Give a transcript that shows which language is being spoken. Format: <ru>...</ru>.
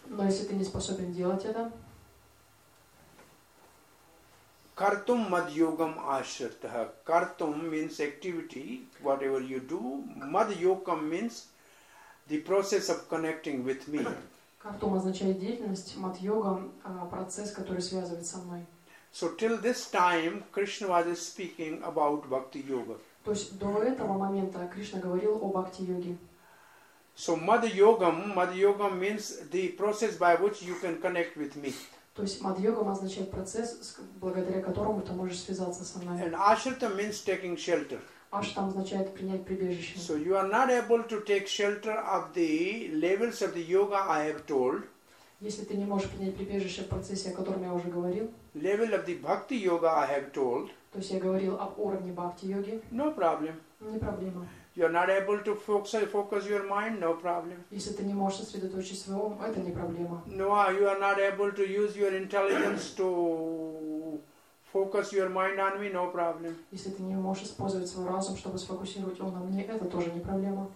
<ru>Но если ты не способен делать это,</ru> <sa>Картум мадьогам ашритаха.</sa> <en>Картум means activity, whatever you do. Мадьогам means the process of connecting with me.</en> <ru>Картум означает деятельность, мадьогам процесс, который связывает со мной.</ru> <en>So till this time, Krishna was speaking about bhakti yoga.</en> <ru>То есть до этого момента Кришна говорил о бхакти йоге.</ru> <en>So мадьогам, мадьогам means the process by which you can connect with me.</en> <ru>То есть мадьогам означает процесс, благодаря которому ты можешь связаться со мной.</ru> <en>And ашрита means taking shelter.</en> <ru>Ашрита означает принять прибежище.</ru> <en>So you are not able to take shelter of the levels of the yoga I have told.</en> <ru>Если ты не можешь принять прибежище в процессе, о котором я уже говорил.</ru> <en>Level of the bhakti yoga I have told.</en> <ru>То есть я говорил об уровне бхакти йоги.</ru> <en>No problem.</en> <ru>Не проблема.</ru> <en>You are not able to focus your mind, no problem.</en> <ru>Если ты не можешь сосредоточить свой ум, это не проблема.</ru> <en>No, you are not able to use your intelligence to focus your mind on me, no problem.</en> <ru>Если ты не можешь использовать свой разум, чтобы сфокусировать его на мне, это тоже не проблема.</ru>